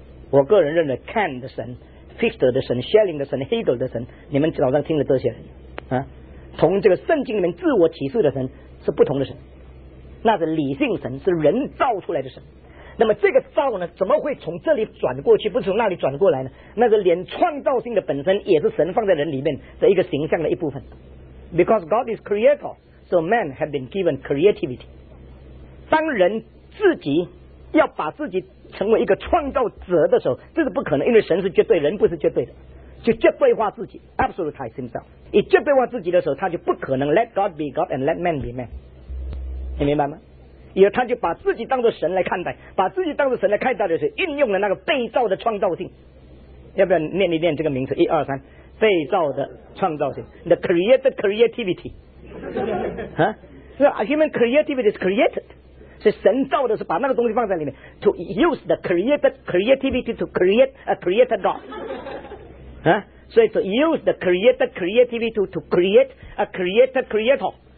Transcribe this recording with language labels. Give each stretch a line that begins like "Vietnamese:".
Chinese: 我个人认为 Kant 的神、Fichte 的神、Schelling 的神、Hegel 的神，你们早上听了这些人啊，同这个圣经里面自我启示的神是不同的神，那是理性神，是人造出来的神。那么这个造呢，怎么会从这里转过去，不是从那里转过来呢？那个连创造性的本身也是神放在人里面的一个形象的一部分。
English: Because God is creator, so man has been given creativity。
Chinese: 当人自己要把自己成为一个创造者的时候，这是不可能，因为神是绝对，人不是绝对的，就绝对化自己 absolutize himself。一绝对化自己的时候，他就不可能 let God be God and let man be man，你明白吗？也他就把自己当作神来看待，把自己当作神来看待的时候，运用了那个被造的创造性。要不要念一念这个名词？一二三，被造的创造性 ，the created creativity。
English: 啊，是 human creativity is created，是神造的，是把那个东西放在里面，to use the created creativity to create a created God。啊，所以 to use the created creativity to create a created creator。